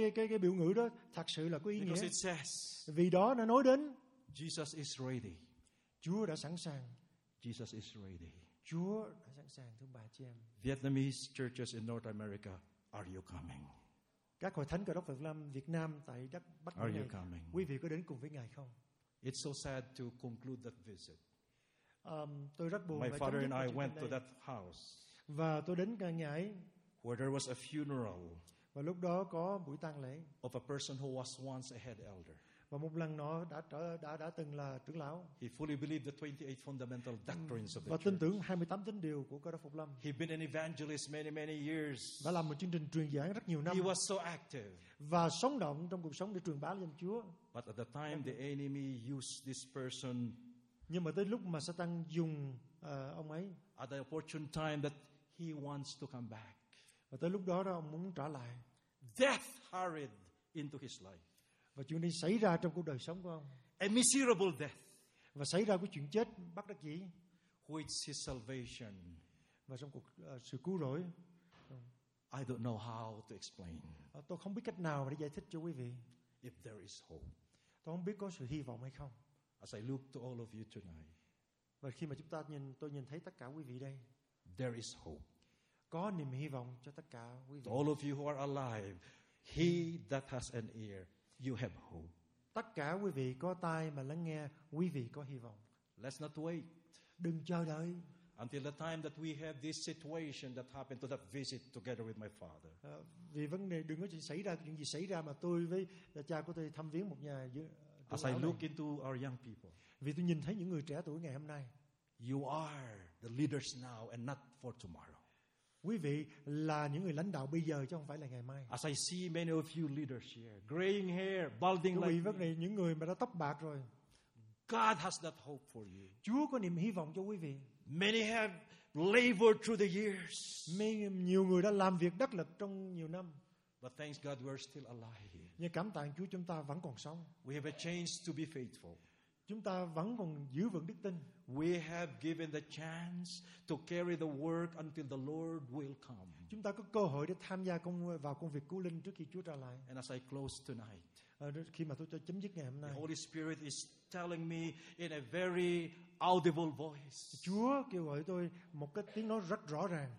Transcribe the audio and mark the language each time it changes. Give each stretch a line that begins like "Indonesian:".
Vietnamese: Cái biểu ngữ đó thật sự là có ý
English: Because
Vietnamese: nghĩa.
English: It says,
Vietnamese: vì đó nó nói đến
English: Jesus is ready.
Vietnamese: Chúa đã sẵn sàng.
English: Jesus is ready.
Vietnamese: Chúa đã sẵn sàng thưa bà chị em.
English: Vietnamese churches in North America, are you coming?
Vietnamese: Các hội thánh Cơ Đốc Phục Lâm Việt Nam tại đất Bắc
English: Ninh. Are you coming?
Vietnamese: Quý vị có đến cùng với ngài không?
English: It's so sad to conclude that visit.
Vietnamese: Tôi rất buồn.
English: My father and I went to that house.
Vietnamese: Và tôi đến căn nhà ấy.
English: Where there was a funeral.
Vietnamese: Và lúc đó có buổi tang lễ.
English: Of a person who was once a head elder.
Vietnamese: Và một lần nó đã từng là trưởng lão.
English: He fully believed the 28 fundamental doctrines of the church.
Vietnamese: Và tin tưởng 28 tín điều của Cơ Đốc Phục Lâm.
English: He'd been an evangelist many years.
Vietnamese: Và làm một chương trình truyền giảng rất nhiều năm.
English: He was so active.
Vietnamese: Và sống động trong cuộc sống để truyền bá danh Chúa.
English: But at the time the enemy used this person.
Vietnamese: Nhưng mà tới lúc mà Satan dùng ông ấy.
English: At the opportune time that he wants to come back.
Vietnamese: Và tới lúc đó ông muốn trả lại.
English: Death hurried into his life.
Vietnamese: Và chuyện này xảy ra trong cuộc đời sống của ông.
English: A miserable death.
Vietnamese: Và xảy ra cái chuyện chết bất đắc dĩ.
English: Which is his salvation.
Vietnamese: Và trong cuộc sự cứu rỗi.
English: I don't know how to explain.
Vietnamese: Tôi không biết cách nào để giải thích cho quý vị.
English: If there is hope.
Vietnamese: Tôi không biết có sự hy vọng hay không.
English: As I look to all of you tonight.
Vietnamese: Và khi mà chúng ta nhìn, tôi nhìn thấy tất cả quý vị đây.
English: There is hope.
Vietnamese: Có niềm hy vọng cho tất cả quý vị.
English: To all of you who are alive, he that has an ear, you have hope.
Vietnamese: Tất cả quý vị có tai mà lắng nghe, quý vị có hy vọng.
English: Let's not wait.
Vietnamese: Đừng chờ đợi.
English: Until the time that we have this situation that happened to that visit together with my father.
Vietnamese: Vì vấn đề đừng có xảy ra những gì xảy ra mà tôi với cha của tôi thăm viếng một nhà dưới.
English: As I look into our young people.
Vietnamese: Vì tôi nhìn thấy những người trẻ tuổi ngày hôm nay.
English: You are the leaders now and not for tomorrow.
Vietnamese: Quý vị là những người lãnh đạo bây giờ chứ không phải là ngày mai.
English: As I see many of you leaders here, graying hair, balding like.
Vietnamese: Quý vị là những người mà đã tóc bạc rồi.
English: God has that hope for you.
Vietnamese: Chúa có niềm hy vọng cho quý vị.
English: Many have labored through the years.
Vietnamese: Nhiều người đã làm việc đắc lực trong nhiều năm.
English: But thanks God we're still alive.
Vietnamese: Nhưng cảm tạ Chúa chúng ta vẫn còn sống.
English: We have a chance to be faithful.
Vietnamese: Chúng ta vẫn còn giữ vững đức tin.
English: We have given the chance to carry the work until the Lord will come.
Vietnamese: Chúng ta có cơ hội để tham gia vào công việc cứu linh trước khi Chúa trở lại.
English: And as I close tonight.
Vietnamese: Khi mà tôi chấm dứt ngày hôm nay.
English: The Holy Spirit is telling me in a very audible voice.
Vietnamese: Chúa kêu gọi tôi một cái tiếng nói rất rõ ràng.